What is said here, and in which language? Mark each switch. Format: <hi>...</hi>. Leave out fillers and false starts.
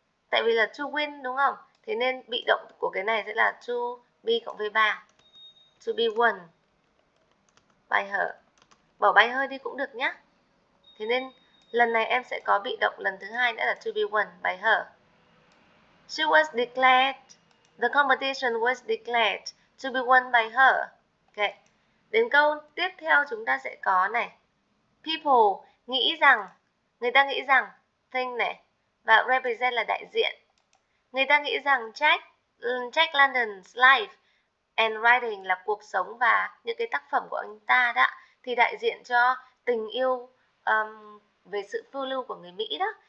<vi>Tại vì là to win đúng không? Thế nên bị động của cái này sẽ là to be cộng với 3.</vi> <en>To be won by her.</en> <vi>Bỏ by her đi cũng được nhá. Thế nên lần này em sẽ có bị động lần thứ hai nữa là to be won by her.</vi> <en>She was declared. The competition was declared to be won by her. Ok.</en> <vi>Đến câu tiếp theo chúng ta sẽ có này. People nghĩ rằng, người ta nghĩ rằng thing này và represent là đại diện. Người ta nghĩ rằng</vi> <en>Jack London's life and writing</en> <vi>là cuộc sống và những cái tác phẩm của anh ta đó thì đại diện cho tình yêu về sự phiêu lưu của người Mỹ đó.</vi>